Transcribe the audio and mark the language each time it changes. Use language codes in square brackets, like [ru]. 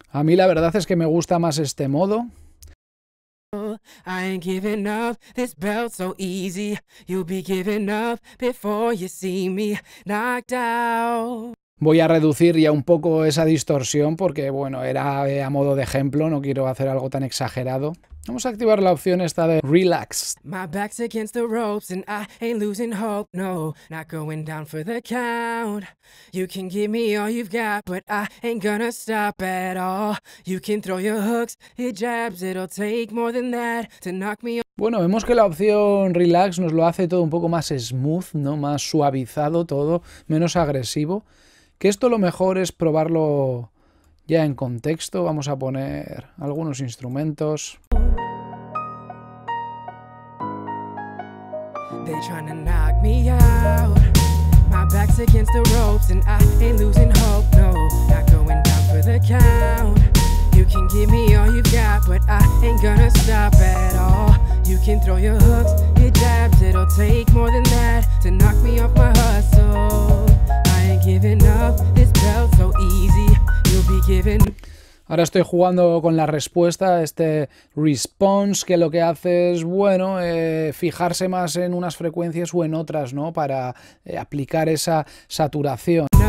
[es] A mí la verdad es que me gusta más este modo. [en] I ain't giving up this belt so easy. You'll be giving up before you see me knocked out. [es] Voy a reducir ya un poco esa distorsión porque, bueno, era a modo de ejemplo, no quiero hacer algo tan exagerado. Vamos a activar la opción esta de Relax. [en] My back's against the ropes and I ain't losing hope. No, not going down for the count. You can give me all you've got, but I ain't gonna stop at all. You can throw your hooks, your jabs, it'll take more than that to knock me off. [es] Bueno, vemos que la opción Relax nos lo hace todo un poco más smooth, ¿no? Más suavizado todo, menos agresivo. Que esto lo mejor es probarlo ya en contexto. Vamos a poner algunos instrumentos. [en] They trying to knock me out. My back's against the ropes and I ain't losing hope. No, not going down for the count. You can... can give me all you got, but I ain't gonna stop at all. You can throw your hooks, your jabs, it'll take more than that to knock me off my hustle. I ain't giving up this belt so easy, you'll be giving. [es] Ahora estoy jugando con la respuesta, este response, que lo que hace es, bueno, fijarse más en unas frecuencias o en otras, ¿no? Para aplicar esa saturación.